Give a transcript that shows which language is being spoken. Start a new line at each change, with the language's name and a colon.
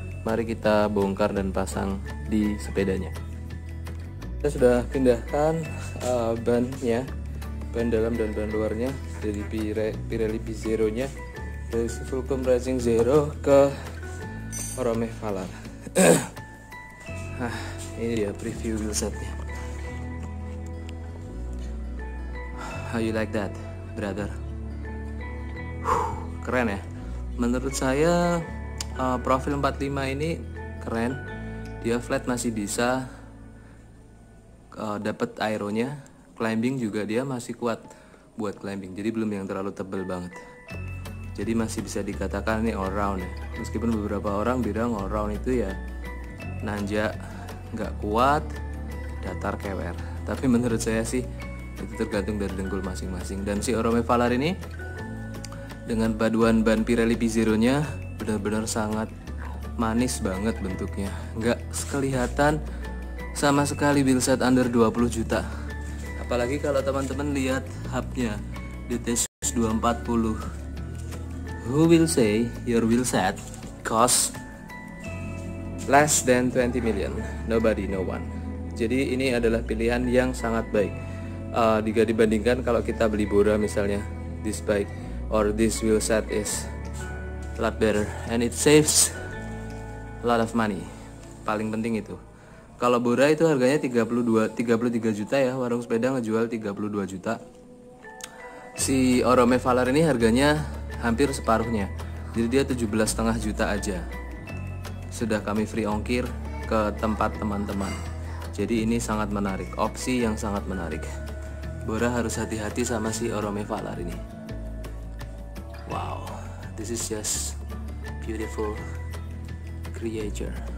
Indonesian: Mari kita bongkar dan pasang di sepedanya. Kita sudah pindahkan bannya, ban dalam dan ban luarnya dari Pirelli P0 nya dari si Fulcrum Racing Zero ke Orome Valar. Nah, ini dia preview wheelsetnya.
English: How you like that, brother?
Indonesian: Keren ya. Menurut saya profil 45 ini keren. Dia flat masih bisa dapat aeronya. Climbing juga dia masih kuat buat climbing. Jadi belum yang terlalu tebel banget. Jadi masih bisa dikatakan ini all round ya. Meskipun beberapa orang bilang all round itu ya nanjak gak kuat, datar kewer. Tapi menurut saya sih itu tergantung dari dengkul masing-masing. Dan si Orome Valar ini dengan paduan ban Pirelli P0-nya benar-benar sangat manis banget bentuknya. Nggak kelihatan sama sekali bill set under 20 juta. Apalagi kalau teman-teman lihat hubnya, DT-Shoes 240.
English: Who will say your wheel set cost less than 20 million? Nobody, no one.
Indonesian: Jadi ini adalah pilihan yang sangat baik. Jika dibandingkan kalau kita beli Bora misalnya,
English: this bike or this wheel set is a lot better and it saves a lot of money.
Indonesian: Paling penting itu. Kalau Bora itu harganya 33 juta ya, warung sepeda ngejual 32 juta. Si Orome Valor ini harganya hampir separuhnya. Jadi dia 17,5 juta aja. Sudah kami free ongkir ke tempat teman-teman. Jadi ini sangat menarik, opsi yang sangat menarik. Bora harus hati-hati sama si Orome Valor ini.
English: Wow, this is just beautiful creature.